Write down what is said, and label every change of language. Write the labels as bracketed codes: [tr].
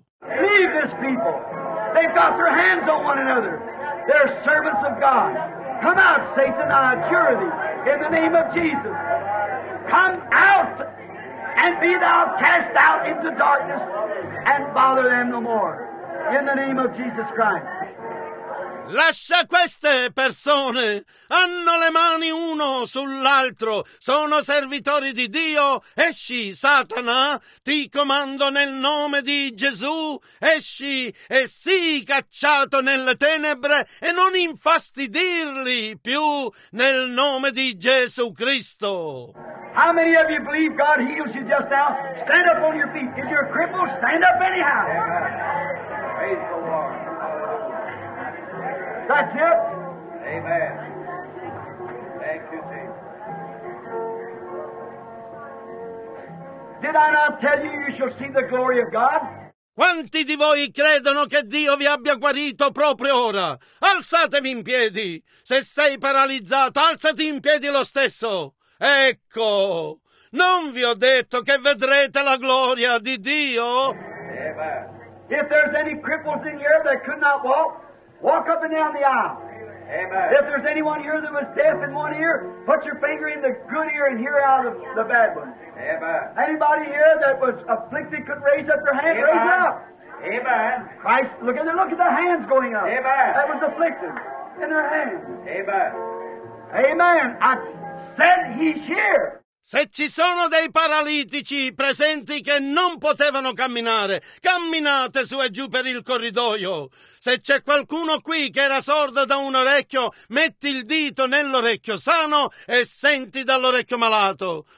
[en] Leave these people. They've got their hands on one another. They're servants of God. Come out, Satan, I adjure thee, in the name of Jesus. Come out and be thou cast out into darkness and bother them no more, in the name of Jesus Christ. [it] Lascia queste persone, hanno le mani uno sull'altro, sono servitori di Dio, esci Satana, ti comando nel nome di Gesù, esci e sii cacciato nelle tenebre e non infastidirli più nel nome di Gesù Cristo. [en] How many of you believe God heals you just now? Stand up on your feet. If you're crippled, stand up anyhow. Praise the Lord. That's it. Amen. Thank you, Jesus. Did I not tell you you shall see the glory of God? [it] Quanti di voi credono che Dio vi abbia guarito proprio ora? Alzatevi in piedi. Se sei paralizzato, alzati in piedi lo stesso. Ecco, non vi ho detto che vedrete la gloria di Dio? Amen. [en] If there's any cripples in here that could not walk, walk up and down the aisle. Amen. If there's anyone here that was deaf in one ear, put your finger in the good ear and hear out of the bad one. Amen. Anybody here that was afflicted could raise up their hand. Amen. Raise up. Amen. Christ, look at the hands going up. Amen. That was afflicted in their hands. Amen. Amen. Then he's here. [it] Se ci sono dei paralitici presenti che non potevano camminare, camminate su e giù per il corridoio. Se c'è qualcuno qui che era sordo da un orecchio, metti il dito nell'orecchio sano e senti dall'orecchio malato.